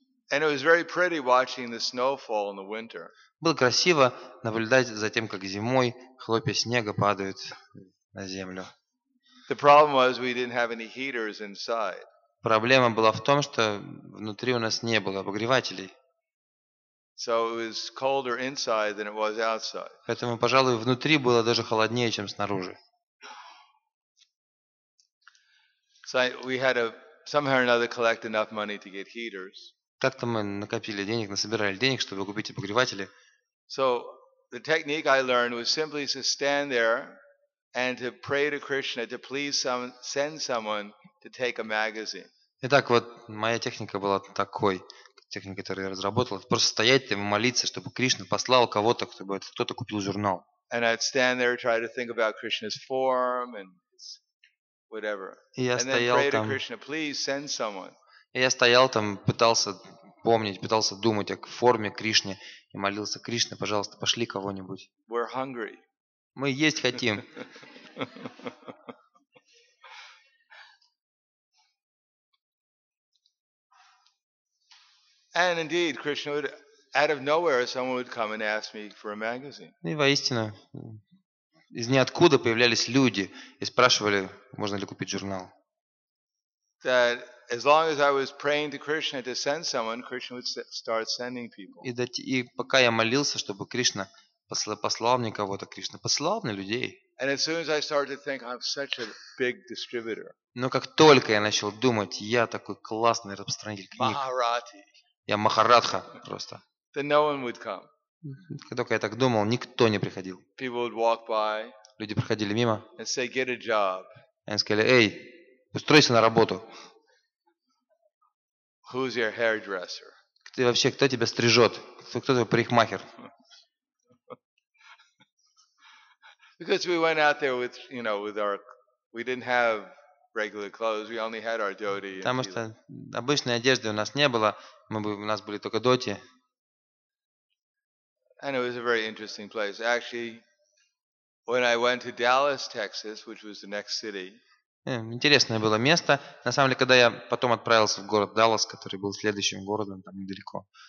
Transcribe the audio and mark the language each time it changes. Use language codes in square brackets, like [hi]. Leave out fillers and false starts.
[en] And it was very pretty watching the snowfall in the winter. [ru] Было красиво наблюдать за тем, как зимой хлопья снега падают на землю. [en] The problem was we didn't have any heaters inside. [ru] Проблема была в том, что внутри у нас не было обогревателей. [en] So it was colder inside than it was outside. [ru] Поэтому, пожалуй, внутри было даже холоднее, чем снаружи. [en] So we had to somehow or another collect enough money to get heaters. [ru] Как-то мы накопили денег, насобирали денег, чтобы купить обогреватели. [en] So the technique I learned was simply to stand there and to pray to Krishna to please send someone to take a magazine. [ru] Итак, вот моя техника была такой, техника, которую я разработал, просто стоять там и молиться, чтобы Кришна послал кого-то, чтобы кто-то купил журнал. [en] And I'd stand there try to think about Krishna's form and whatever. [ru] И я [en] and then [ru] стоял [en] pray [ru] там. [en] To Krishna, please send someone. [ru] И я стоял там, пытался помнить, пытался думать о форме Кришны и молился: Кришна, пожалуйста, пошли кого-нибудь. [en] We're hungry. [ru] Мы есть хотим. [en] And indeed, Krishna would, out of nowhere, someone would come and ask me for a magazine. [ru] И воистину, из ниоткуда появлялись люди и спрашивали, можно ли купить журнал. [en] that as long as I was praying to Krishna to send someone, Krishna would start sending people. [ru] И пока я молился, чтобы Кришна послал мне кого-то, Кришна посылал мне людей. [en] And as soon as I started to think, I'm such a big distributor. [ru] Но как только я начал думать, я такой классный распространитель книг. Махарати. Я Махарадха просто. [en] Then no one would come. [ru] Когда я так думал, никто не приходил. [en] People would walk by. [ru] Люди проходили мимо. [en] And say, get a job. [ru] Они сказали, эй, устройся на работу. [en] Who's your hairdresser? [ru] Ты вообще, кто тебя стрижет? Кто твой парикмахер? [en] Because we went out there with, you know, with our, we didn't have regular clothes. We only had our dhoti. [ru] Потому что обычной одежды у нас не было. У нас были только dhoti. [en] And it was a very interesting place. Actually, when I went to Dallas, Texas, which was the next city. [ru] Интересное было место. На самом деле, когда я потом отправился в город Даллас, который был следующим городом, там недалеко.